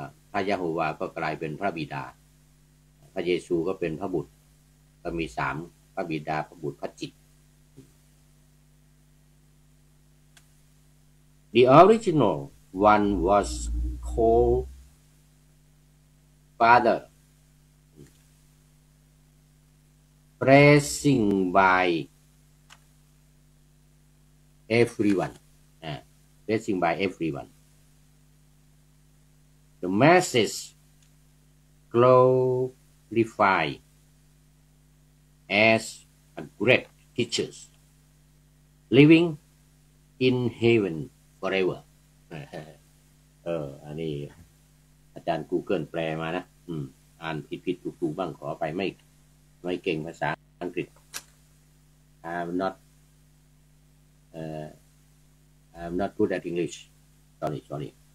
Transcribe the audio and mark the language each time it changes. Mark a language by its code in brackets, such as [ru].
[th] พระยะโฮวาห์ก็กลายเป็นพระบิดาพระเยซูก็เป็นพระบุตรก็มี3พระบิดาพระบุตรพระจิต [en] The original one was called Father, praising by everyone. Praising by everyone. The masses glorify as a great teacher, living in heaven. [th] forever อันนี้อาจารย์ Google แปลมานะอ่านผิดๆถูกๆบ้างขอไปไม่เก่งภาษาอังกฤษ [en] I'm not I'm not good at English. Sorry.